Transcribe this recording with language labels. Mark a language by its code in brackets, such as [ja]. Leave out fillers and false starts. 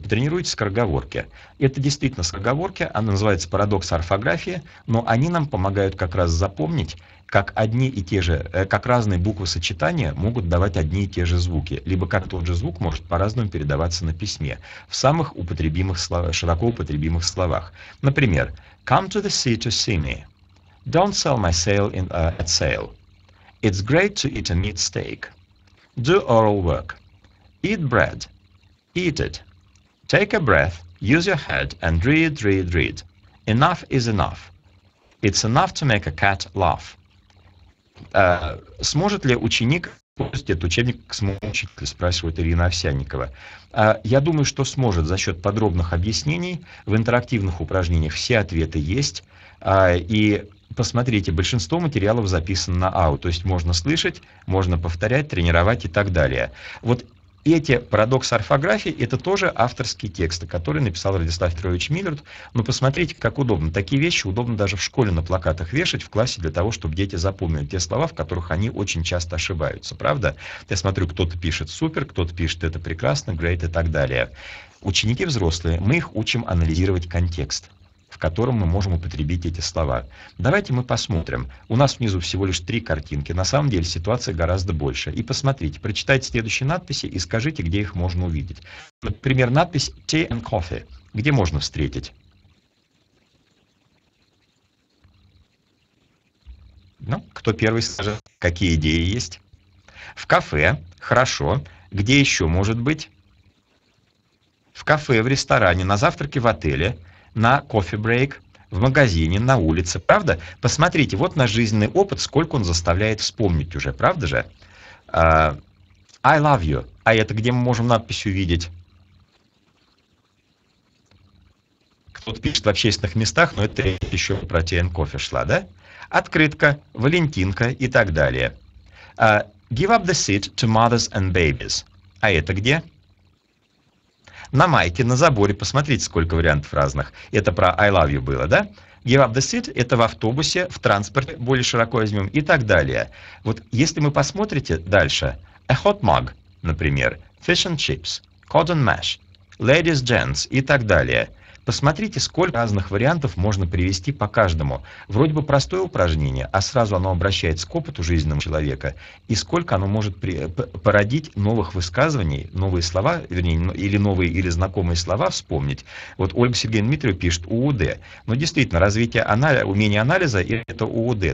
[ru] Потренируйтесь в скороговорке. Это действительно скороговорки, она называется парадокс орфографии, но они нам помогают как раз запомнить, как одни и те же, как разные буквы сочетания могут давать одни и те же звуки, либо как тот же звук может по-разному передаваться на письме, в самых употребимых словах, широко употребимых словах. Например, [en] come to the sea to see me. Don't sell my sail in, at sale. It's great to eat a meat steak. Do oral work. Eat bread. Eat it. Take a breath. Use your head and read, read, read. Enough is enough. It's enough to make a cat laugh. [ru] Сможет ли ученик использовать этот учебник к своему учителю, спрашивает Ирина Овсянникова. Я думаю, что сможет за счет подробных объяснений. В интерактивных упражнениях все ответы есть. И посмотрите, большинство материалов записано на ау, то есть можно слышать, можно повторять, тренировать и так далее. Вот эти парадоксы орфографии – это тоже авторские тексты, которые написал Радислав Петрович Миллерт. Но посмотрите, как удобно. Такие вещи удобно даже в школе на плакатах вешать в классе для того, чтобы дети запомнили те слова, в которых они очень часто ошибаются. Правда? Я смотрю, кто-то пишет «супер», кто-то пишет «это прекрасно», «great» и так далее. Ученики взрослые, мы их учим анализировать контекст, в котором мы можем употребить эти слова. Давайте мы посмотрим. У нас внизу всего лишь три картинки. На самом деле ситуация гораздо больше. И посмотрите, прочитайте следующие надписи и скажите, где их можно увидеть. Например, надпись [en] «Tea and coffee». [ru] Где можно встретить? Ну, кто первый скажет, какие идеи есть? В кафе. Хорошо. Где еще может быть? В кафе, в ресторане, на завтраке, в отеле, на кофе-брейк, в магазине, на улице, правда? Посмотрите, вот наш жизненный опыт, сколько он заставляет вспомнить уже, правда же? [en] I love you. [ru] А это где мы можем надпись увидеть? Кто-то пишет в общественных местах, но это еще про тен кофе шла, да? Открытка, Валентинка и так далее. [en] Give up the seat to mothers and babies. [ru] А это где? На майке, на заборе, посмотрите, сколько вариантов разных. Это про [en] I love you [ru] было, да? [en] Give up the seat, [ru] это в автобусе, в транспорте, более широко возьмем, и так далее. Вот если мы посмотрите дальше, [en] a hot mug, [ru] например, [en] fish and chips, cotton mash, ladies, gents, [ru] и так далее. Посмотрите, сколько разных вариантов можно привести по каждому. Вроде бы простое упражнение, а сразу оно обращается к опыту жизненного человека. И сколько оно может породить новых высказываний, новые слова, вернее, или новые, или знакомые слова вспомнить. Вот Ольга Сергеевна Дмитриева пишет ООД. Но действительно, развитие умения анализа – это ООД.